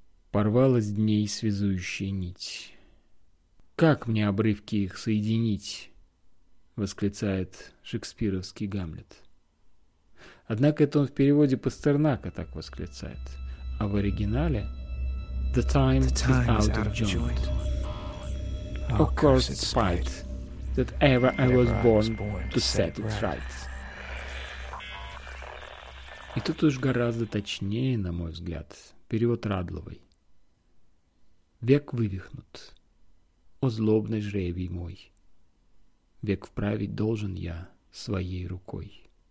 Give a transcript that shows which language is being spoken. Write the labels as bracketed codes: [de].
[ru] Порвалась дней связующая нить. Как мне обрывки их соединить? — восклицает шекспировский Гамлет. Однако это он в переводе Пастернака так восклицает, а в оригинале [en] «The time, the time is out of joint. Joint. Of course it's spite that ever I was born to set it right». [ru] И тут уж гораздо точнее, на мой взгляд, перевод Радловой. «Век вывихнут, о злобный жребий мой, век вправить должен я своей рукой».